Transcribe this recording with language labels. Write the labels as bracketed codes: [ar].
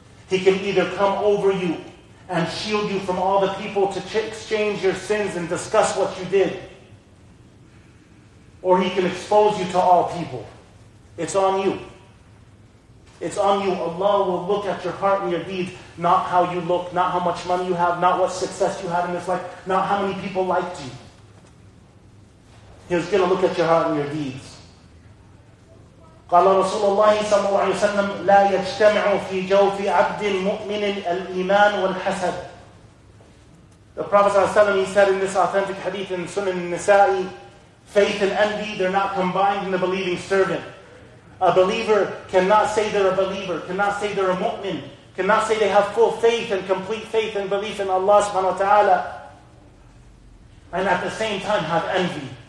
[en] He can either come over you and shield you from all the people to exchange your sins and discuss what you did, or He can expose you to all people. It's on you. It's on you. Allah will look at your heart and your deeds, not how you look, not how much money you have, not what success you had in this life, not how many people liked you. He's going to look at your heart and your deeds. [ar] قال رسول الله صلى الله عليه وسلم لا يجتمع في جوف عبد مؤمن الإيمان والحسد. [en] The Prophet صلى الله عليه وسلم, he said in this authentic hadith in Sunan Nisa'i, faith and envy, they're not combined in the believing servant. A believer cannot say they're a believer, cannot say they're a mu'min, cannot say they have full faith and complete faith and belief in Allah subhanahu wa ta'ala, and at the same time have envy.